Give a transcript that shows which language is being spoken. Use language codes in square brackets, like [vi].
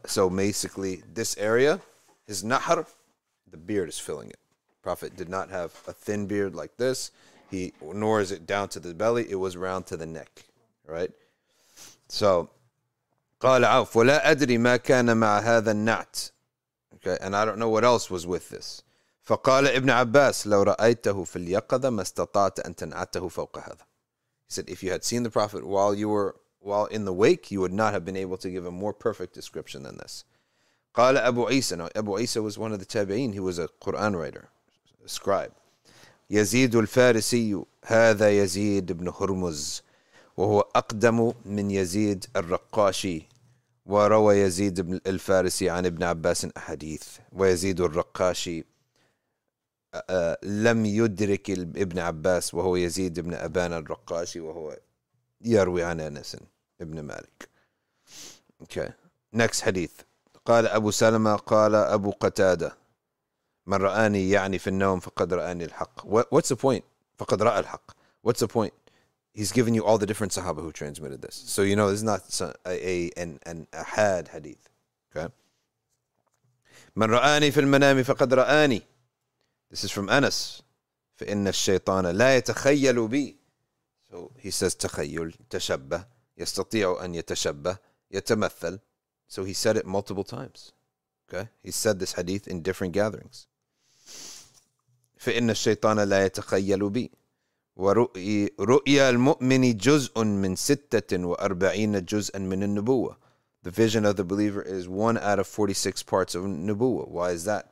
[en] So basically, this area, his nahr, the beard is filling it. Prophet did not have a thin beard like this. He, nor is it down to the belly. It was round to the neck. Right? So, [ar] قَالَ عَوْفُ وَلَا أَدْرِي مَا كَانَ مَعَ هَذَا النَّعْتِ. [en] Okay, and I don't know what else was with this. [ar] فقال ابن عباس لو رأيته في اليقظة ما استطعت أن تنعته فوق هذا. [en] He said, if you had seen the Prophet while in the wake, you would not have been able to give a more perfect description than this. [ar] قال أبو عيسى. [en] Now, Abu Isa was one of the Tabi'in. He was a Quran writer, a scribe. [ar] يزيد الفارسي هذا يزيد بن هرمز وهو أقدم من يزيد الرقاشي. وروى يزيد الفارسي عن ابن عباس أحاديث ويزيد الرقاشي لم يدرك ابن عباس وهو يزيد ابن أبان الرقاشي وهو يروي عن أنس ابن مالك. [en] Okay. Next hadith. [ar] قال أبو سلمة قال أبو قتادة من رآني يعني في النوم فقد رآني الحق. [en] What's the point? [ar] فقد رأى الحق. [en] What's the point? He's given you all the different Sahaba who transmitted this. So you know this is not an ahad hadith. Okay. [ar] من رآني في المنام فقد رآني. [en] This is from Anas. [ar] فَإِنَّ الشَّيْطَانَ لَا يَتَخَيَّلُ بِي. [en] So he says, [ar] تَخَيُّلْ تَشَبَّهْ يَسْتَطِيعُ أَنْ يَتَشَبَّهْ يَتَمَثَّلْ. [en] So he said it multiple times. Okay? He said this hadith in different gatherings. [ar] فَإِنَّ الشَّيْطَانَ لَا يَتَخَيَّلُ بِي. وَرُؤْيَا الْمُؤْمِنِ جُزْءٌ مِّن سِتَّةٍ وَأَرْبَعِينَ جُزْءًا مِّنَ النُّبُوَّةِ. [en] The vision of the believer is one out of 46 parts of Nubuwa. Why is that?